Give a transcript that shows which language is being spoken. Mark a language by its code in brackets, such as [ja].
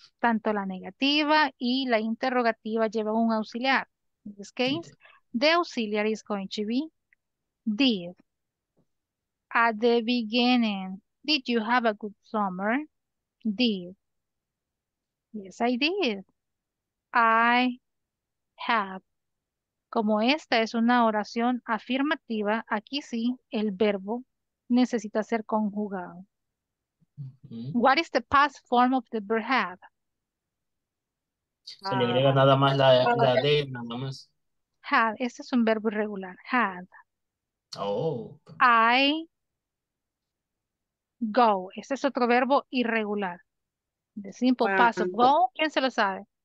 [es] Tanto la negativa y la interrogativa llevan un auxiliar. [en] In this case, the auxiliary is going to be did. At the beginning, did you have a good summer? Did. Yes, I did. I have. [es] Como esta es una oración afirmativa, aquí sí, el verbo necesita ser conjugado. Mm-hmm. [en] What is the past form of the verb have? [es] Se le agrega nada más la D, nada más. Have, este es un verbo irregular, have. Oh. [en] I go, [es] este es otro verbo irregular. [en] The simple past of go, [es] ¿quién se lo sabe?